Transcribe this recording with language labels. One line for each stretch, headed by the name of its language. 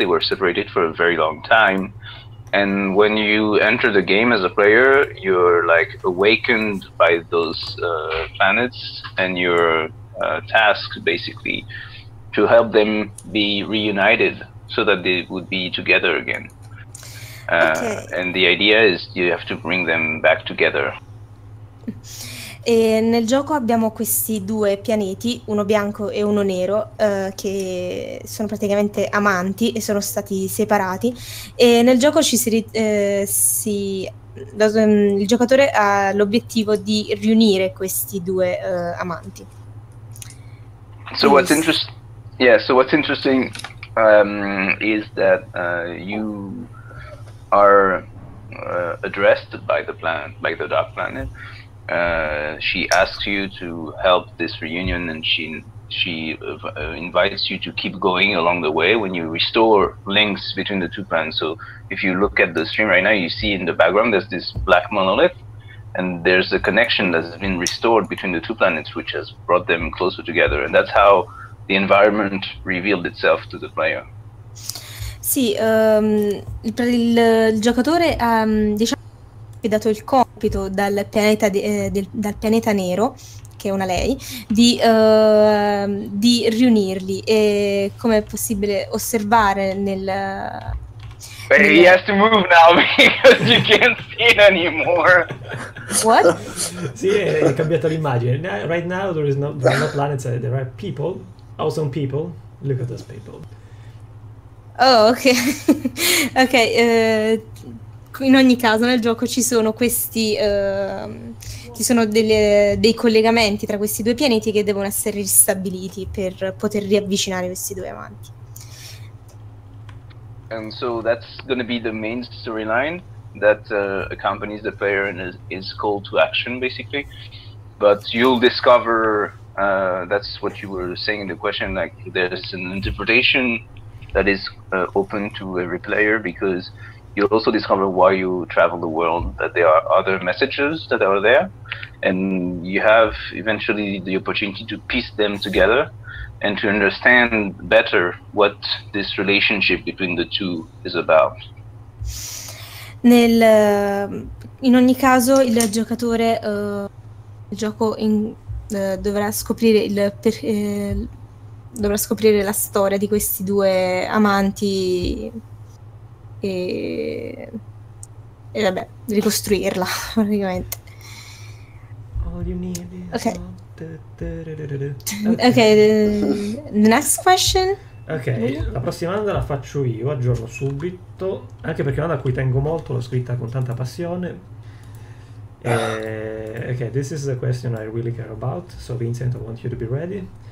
English: They were separated for a very long time. And when you enter the game as a player, you're like awakened by those planets, and your task, basically, to help them be reunited so that they would be together again. Okay. And the idea is you have to bring them back together.
Italian: E nel gioco abbiamo questi due pianeti, uno bianco e uno nero, che sono praticamente amanti e sono stati separati. E nel gioco il giocatore ha l'obiettivo di riunire questi due amanti.
English: So what's interesting is that you are addressed by the planet, by the dark planet. She asks you to help this reunion, and she invites you to keep going along the way when you restore links between the two planets. So if you look at the stream right now, you see in the background there's this black monolith, and there's a connection that's been restored between the two planets, which has brought them closer together. And that's how the environment revealed itself to the player.
Italian: Sì, il giocatore ha dato il compito dal pianeta nero, che è una lei, di riunirli. E come è possibile osservare nel.
English: But he has to move now because you can't see it anymore. What?
Italian: Sì, è cambiata l'immagine.
English: Right now there are no planets, there are people, awesome people. Look at those people. Oh, ok.
Italian: Ok, in ogni caso nel gioco ci sono questi ci sono dei collegamenti tra questi due pianeti che devono essere ristabiliti per poter riavvicinare questi due amanti.
English: And so that's going to be the main storyline that accompanies the player and is called to action basically. But you'll discover that's what you were saying in the question, like there's an interpretation that is open to every player, because you also discover while you travel the world that there are other messages that are there, and you have eventually the opportunity to piece them together and to understand better what this relationship between the two is about.
Italian: In ogni caso il giocatore il gioco dovrà scoprire dovrà scoprire la storia di questi due amanti e vabbè, ricostruirla praticamente.
English: All you need is okay. Okay, the next question.
Italian: Okay, la prossima domanda la faccio io, aggiorno subito, anche perché è una domanda a cui tengo molto, l'ho scritta con tanta passione.
English: Okay, this is a question I really care about, so Vincent, I want you to be ready.